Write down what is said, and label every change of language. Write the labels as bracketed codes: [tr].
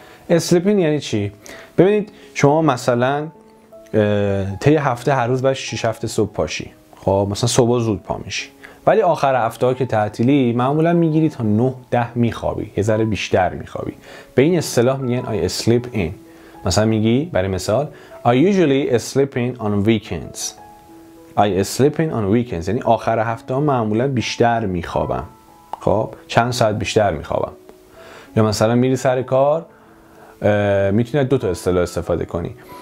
[fa] sleep in یعنی چی؟ ببینید شما مثلا طی هفته هر روز باید 6 هفته صبح پاشی، خب مثلا صبح زود پا میشی، ولی آخر هفته ها که تعطیلی معمولا میگیری تا 9-10 میخوابی، یه ذره بیشتر میخوابی. به این اصطلاح میگن [en] I sleep in. [fa] مثلا میگی برای مثال [en] I usually sleep in on weekends. I sleep in on weekends [fa] یعنی آخر هفته ها معمولا بیشتر میخوابم، خب چند ساعت بیشتر میخوابم. یا مثلا میری سر کار، میتونی دو تا اصطلاح استفاده کنی.